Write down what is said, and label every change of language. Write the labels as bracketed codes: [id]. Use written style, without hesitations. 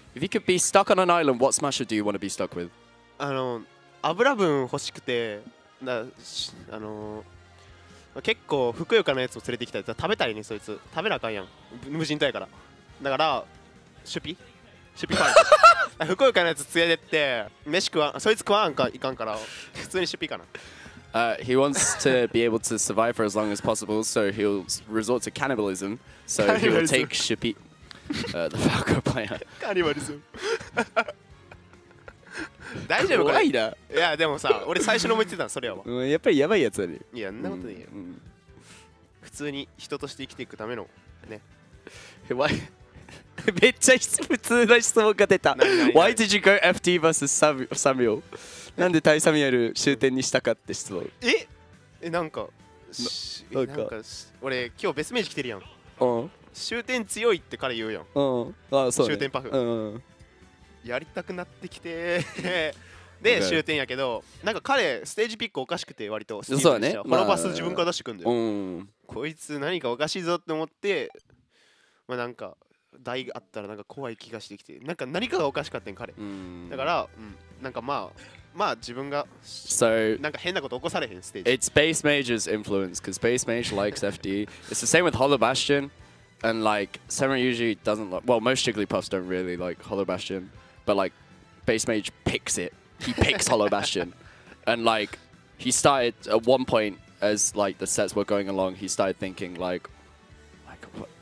[en] If you could be stuck on an island, what smash do you want to be stuck with? [ja] あの油分欲しくて、あの結構ふくよかなやつを連れてきたやつ食べたいねそいつ食べなあかんやん無人島やからだからシュピファン。ふくよかなやつ連れてって飯食わそいつ食わんかいかんから普通にシュピかな。 [en] He wants to be able to survive for as long as possible, so he'll resort to cannibalism. So he will take Shippy, the Falco player. Cannibalism. [ja] 大丈夫これ。 怖いな。いやでもさ、俺最初に思ってたのそれは。やっぱりやばいやつだね。いや、そんなことないよ。普通に人として生きていくためのね。 [en] Why? [ja] めっちゃ普通な質問が出た。 [en] Why did you go FT vs. Samuel? [ja] なんでタイサミュエル終点にしたかって質問。え、なんか、なんか、俺今日ベスメージ来てるやん。うん。終点強いって彼言うやん。うん。あ、そう。終点パフ。うん。やりたくなってきて、で終点やけど、なんか彼ステージピックおかしくて割と。そうだね。このパス自分から出してくんだよ。うん。こいつ何かおかしいぞって思って、まあなんか台があったらなんか怖い気がしてきて、なんか何かがおかしかったん彼。だから、なんかまあ。まあ自分がなんか変なこと起こされへんステージ。 [en] It's Base Mage's influence, because Base Mage likes FD. It's the same with Hollow Bastion, and like Samra usually doesn't like. Well, most Jigglypuffs don't really like Hollow Bastion, but like Base Mage picks it. He picks Hollow Bastion, and like he started at one point as like the sets were going along, he started thinking like what?